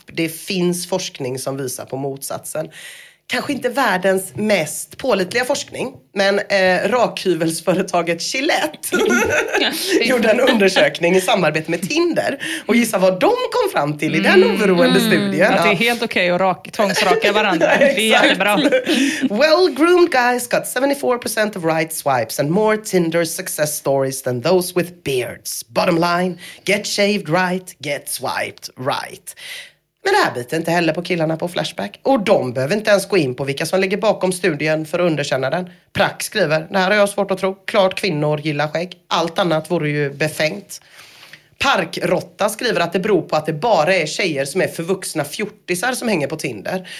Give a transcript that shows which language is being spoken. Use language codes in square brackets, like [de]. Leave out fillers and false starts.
[sv] Det finns forskning som visar på motsatsen. Kanske inte världens mest pålitliga forskning, men rakhyvelsföretaget Gillette gjorde en undersökning i samarbete med Tinder. Och gissa vad de kom fram till i den oberoende studien. Att det är helt okej att tvångsraka varandra. Det är jättebra. [en] Well-groomed guys got 74% of right swipes and more Tinder success stories than those with beards. Bottom line, get shaved right, get swiped right. [sv] Men det här biter inte heller på killarna på Flashback. Och de behöver inte ens gå in på vilka som ligger bakom studien för att underkänna den. Prack skriver, det här har jag svårt att tro. Klart kvinnor gillar skägg. Allt annat vore ju befängt. Parkrotta skriver att det beror på att det bara är tjejer som är förvuxna fjortisar som hänger på Tinder.